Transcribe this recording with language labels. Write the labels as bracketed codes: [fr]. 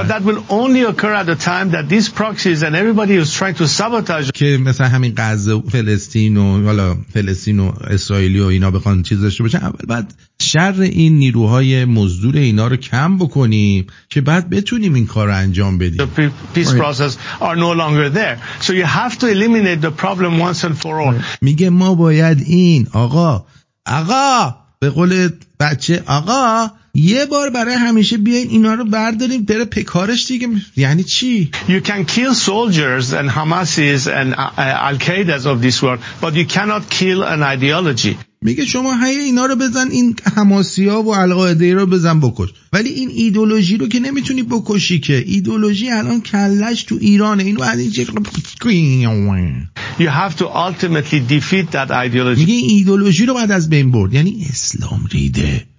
[en] But that will only occur at the time that these proxies and everybody who's trying to sabotage. [fa] که مثلا همین غزه فلسطین و حالا فلسطین و اسرائیلی و اینا بخوان چیز داشته باشن، اول بعد شر این نیروهای مزدور اینا رو کم بکنیم که بعد بتونیم این کار رو انجام بدیم. [en] The peace process are no longer there, so you have to eliminate the problem once and for all. [fa] میگه ما باید این آقا به قول بچه آقا یه بار برای همیشه بیاین اینا رو برداریم بره پکارش دیگه. یعنی چی؟ [en] You can kill soldiers and Hamasis and Al-Qaeda's of this world, but you cannot kill an ideology. [fa] میگه شما هی اینا رو بزن، این حماسی ها و القاعده رو بزن بکش، ولی این ایدولوژی رو که نمیتونی بکشی. که ایدولوژی الان کلش تو ایرانه. اینو بعد این [en] You have to ultimately defeat that ideology. [fa] میگه ایدولوژی رو بعد از بین برد، یعنی اسلام ریده.